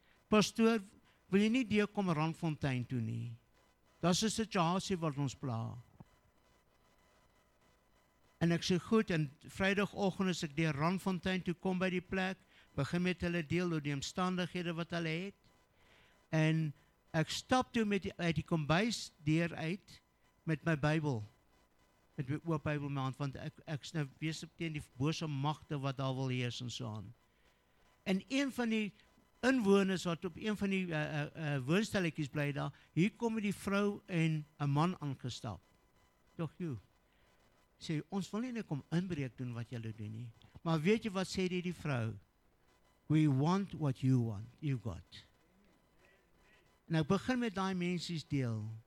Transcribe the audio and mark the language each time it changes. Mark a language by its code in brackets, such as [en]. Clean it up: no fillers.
[af] Pastoor, wil jy nie deurkom Randfontein toe nie? Dit is 'n situasie wat ons pla. En ek sê goed, en vrydagoggend as ek deur Randfontein toe kom by die plek, begin met hulle deel oor die omstandighede wat hulle het. En ek stap toe met die kombuis deur uit met my Bybel. Met my oop Bybel maand, want ek is nou besig teen die bose magte wat daar wil heers en so aan. En een van die inwoners wat op een van die woonstelletjies bly daar, hier kom die vrou en 'n man aangestap. Doch jy. Sê, ons wil nie kom inbreek doen wat julle doen nie. Maar weet jy wat sê die vrou? [en] We want what you want, you got. [af] Nou begin met daai mensies deel.